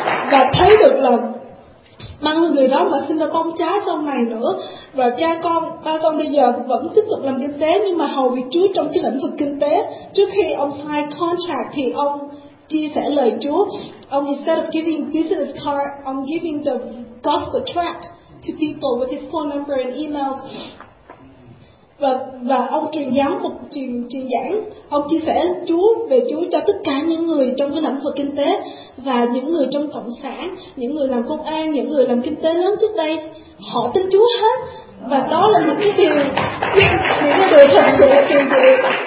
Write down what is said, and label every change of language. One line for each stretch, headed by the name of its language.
Vietnamese: Và thấy được là 50 người đó mà xin được bông trái sau này nữa. Và cha con, ba con bây giờ vẫn tiếp tục làm kinh tế, nhưng mà hầu việc Chúa trong cái lĩnh vực kinh tế. Trước khi ông
English: sign contract
Vietnamese: thì ông chia sẻ lời Chúa. Ông,
English: instead of giving business card,
Vietnamese: ông
English: giving the gospel tract to people with his phone number and emails.
Vietnamese: và ông truyền giáo một truyền giảng, ông chia sẻ Chúa về Chúa cho tất cả những người trong cái lĩnh vực kinh tế và những người trong cộng sản, những người làm công an, những người làm kinh tế lớn trước đây, họ tin Chúa hết. Và đó là một cái điều, những cái điều thật sự kỳ diệu.